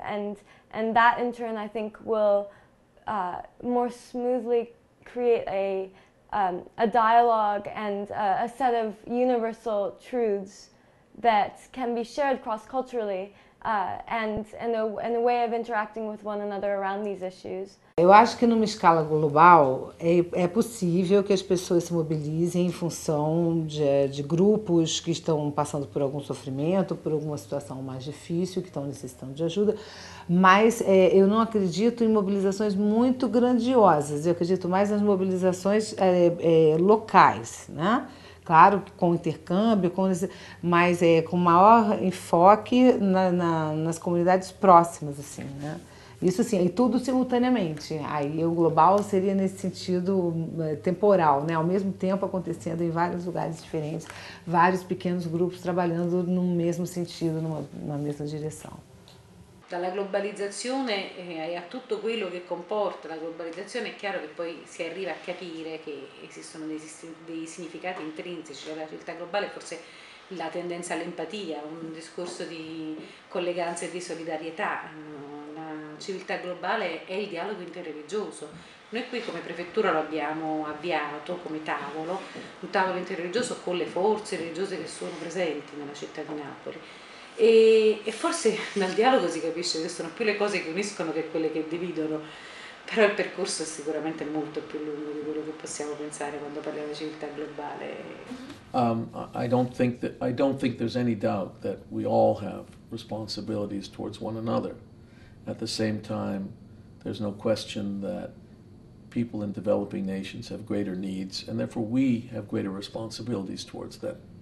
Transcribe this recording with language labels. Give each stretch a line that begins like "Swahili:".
English: And that, in turn, I think, will more smoothly create a dialogue and a set of universal truths that can be shared cross-culturally and a way of interacting with one another around these issues.
Portuguese: Eu acho que numa escala global é possível que as pessoas se mobilizem em função de grupos que estão passando por algum sofrimento, por alguma situação mais difícil, que estão necessitando de ajuda, mas eu não acredito em mobilizações muito grandiosas, eu acredito mais nas mobilizações locais, né? Claro, com intercâmbio, mas com maior enfoque nas comunidades próximas, assim, né? Isso sim, e tudo simultaneamente. Aí o global seria nesse sentido temporal, né? Ao mesmo tempo acontecendo em vários lugares diferentes, vários pequenos grupos trabalhando no mesmo sentido, numa mesma direção.
Italian: Dalla globalizzazione e a tutto quello che comporta la globalizzazione, è chiaro che poi si arriva a capire che esistono dei significati intrinseci. La realtà globale è forse la tendenza all'empatia, un discorso di colleganza e di solidarietà. La civiltà globale è il dialogo interreligioso. Noi qui come prefettura lo abbiamo avviato come tavolo, un tavolo interreligioso con le forze religiose che sono presenti nella città di Napoli. E forse dal dialogo si capisce che sono più le cose che uniscono che quelle che dividono, però il percorso è sicuramente molto più lungo di quello che possiamo pensare quando parliamo di civiltà globale.
English: I don't think there's any doubt that we all have responsibilities towards one another. At the same time, there's no question that people in developing nations have greater needs and therefore we have greater responsibilities towards them.